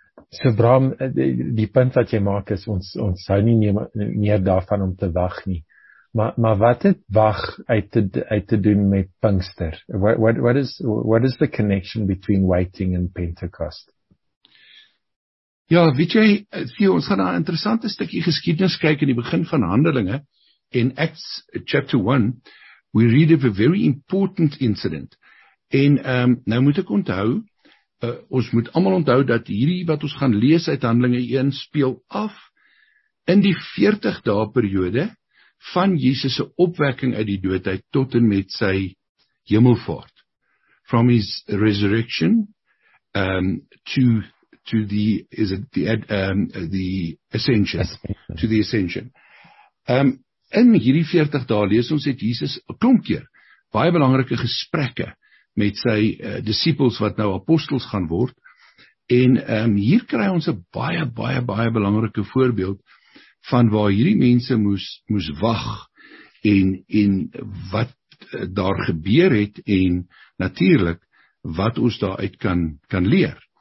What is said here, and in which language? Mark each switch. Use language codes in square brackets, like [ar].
[af] So Bram, die punt wat jy maak is, ons hou nie meer daarvan om te wag nie. Maar wat het wag uit te doen met Pinkster? [en] What is the connection between waiting and Pentecost? [af] Ja, weet jy, ons gaan na een interessante stukkie geschiedenis kyk in die begin van Handelinge. [en] In Acts chapter 1, we read of a very important incident. [af] En nou moet ek onthou, ons moet allemaal onthou dat hierdie wat ons gaan lees uit Handelinge 1 speel af in die 40 dae periode van Jesus' opwekking uit die doodheid tot en met sy hemelvaart. [en] From his resurrection to the ascension. [af] In hierdie 40 dae lees ons het Jesus 'n klomp keer baie belangrike gesprekke met sy disippels wat nou apostels gaan word, en hier kry ons 'n baie belangrike voorbeeld van waar hierdie mense moes wag en wat daar gebeur het en natuurlik wat ons daar uit kan leer.